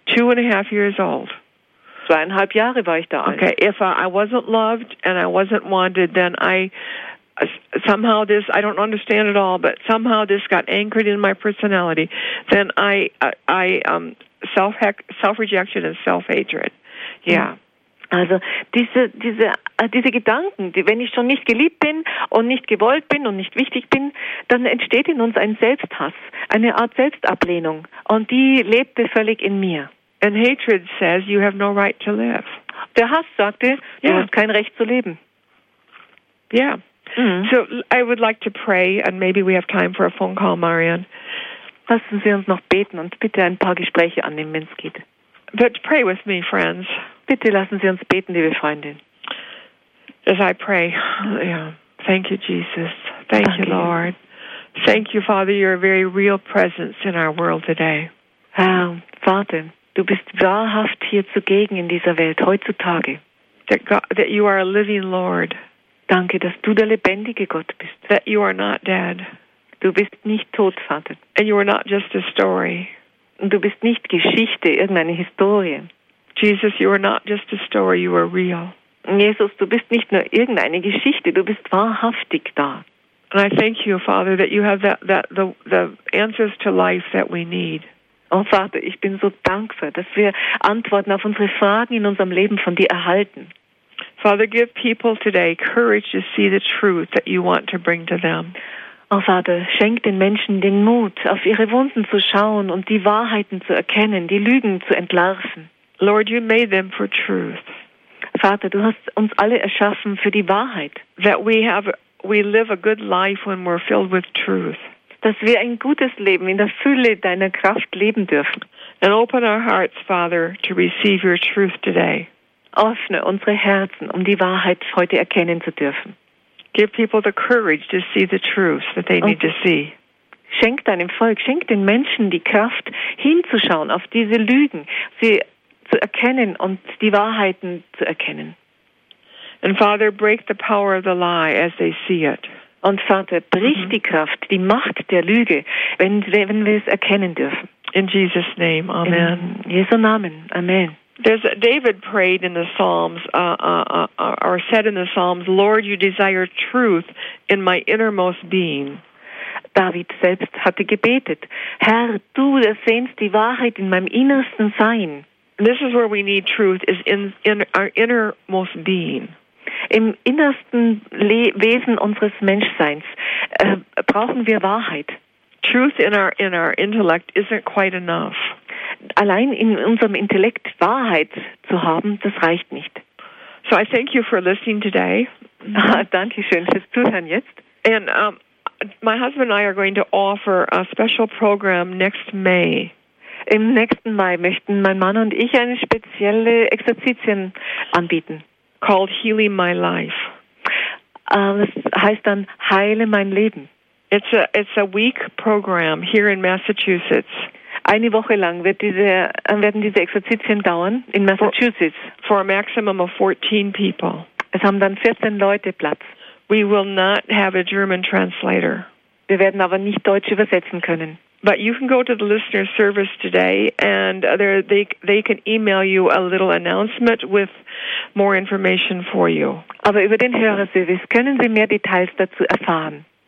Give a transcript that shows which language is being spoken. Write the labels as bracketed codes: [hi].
[en] 2.5 years old. [de] 2.5 Jahre war ich da alt. [en] Okay, if I wasn't loved and I wasn't wanted, then I somehow this, I don't understand it all, but somehow this got anchored in my personality. Then I self-rejection and self-hatred. Yeah. [de] Also diese Gedanken, die, wenn ich schon nicht geliebt bin und nicht gewollt bin und nicht wichtig bin, dann entsteht in uns ein Selbsthass, eine Art Selbstablehnung. Und die lebte völlig in mir. [en] And hatred says you have no right to live. [de] Der Hass sagte, yeah. Du hast kein Recht zu leben. Yeah. Mm-hmm. [en] So I would like to pray and maybe we have time for a phone call, Marianne. [de] Lassen Sie uns noch beten und bitte ein paar Gespräche annehmen, wenn es geht. [en] But pray with me, friends. [de] Bitte lassen Sie uns beten, liebe Freundin. [en] as I pray. Yeah. Thank you, Jesus. Thank you, Lord. Thank you, Father. You're a very real presence in our world today. [de] Vater, du bist wahrhaft hier zugegen in dieser Welt heutzutage. [en] That you are a living Lord. [de] Danke, dass du der lebendige Gott bist. [en] That you are not dead. [de] Du bist nicht tot, Vater. [en] And you are not just a story. [de] Und du bist nicht Geschichte, irgendeine Historie. [en] Jesus, you are not just a story, you are real. [de] Jesus, du bist nicht nur irgendeine Geschichte, du bist wahrhaftig da. [en] And I thank you, Father, that you have the answers to life that we need. [de] Oh, Vater, ich bin so dankbar, dass wir Antworten auf unsere Fragen in unserem Leben von dir erhalten. [en] Father, give people today courage to see the truth that you want to bring to them. [de] Oh, Vater, schenk den Menschen den Mut, auf ihre Wunden zu schauen und die Wahrheiten zu erkennen, die Lügen zu entlarven. [en] Lord, you made them for truth. [de] Vater, du hast uns alle erschaffen für die Wahrheit. [en] That we live a good life when we're filled with truth. [de] Dass wir ein gutes Leben in der Fülle deiner Kraft leben dürfen. [en] And open our hearts, Father, to receive your truth today. [de] Öffne unsere Herzen, um die Wahrheit heute erkennen zu dürfen. [en] Give people the courage to see the truth that they need to see. [de] Schenk deinem Volk, schenk den Menschen die Kraft, hinzuschauen auf diese Lügen, sie zu erkennen und die Wahrheiten zu erkennen. [en] And Father, break the power of the lie as they see it. [de] Und Vater, brich die Kraft, die Macht der Lüge, wenn wir es erkennen dürfen. [en] In Jesus' name, Amen. [de] In Jesu Namen, Amen. [en] There's David prayed in the Psalms, or said in the Psalms, Lord, you desire truth in my innermost being. [de] David selbst hatte gebetet, Herr, du ersehnst die Wahrheit in meinem innersten Sein. [en] This is where we need truth, is in our innermost being. [de] Im innersten Wesen unseres Menschseins brauchen wir Wahrheit. [en] Truth in our intellect isn't quite enough. [de] Allein in unserem Intellekt Wahrheit zu haben, das reicht nicht. [en] So I thank you for listening today. [de] Danke schön fürs Zuhören jetzt. [en] And my husband and I are going to offer a special program next May. [de] Im nächsten Mai möchten mein Mann und ich eine spezielle Exerzitien anbieten. [en] Called Healing My Life. [de] Das heißt dann Heile mein Leben. [en] It's a week program here in Massachusetts. [de] Eine Woche lang werden diese Exerzitien dauern in Massachusetts. [en] For a maximum of 14 people. [de] Es haben dann 14 Leute Platz. [en] We will not have a German translator. [de] Wir werden aber nicht Deutsch übersetzen können. [en] But you can go to the listener service today and they can email you a little announcement with more information for you. [de] Aber über den Hörerservice können Sie mehr Details dazu erfahren.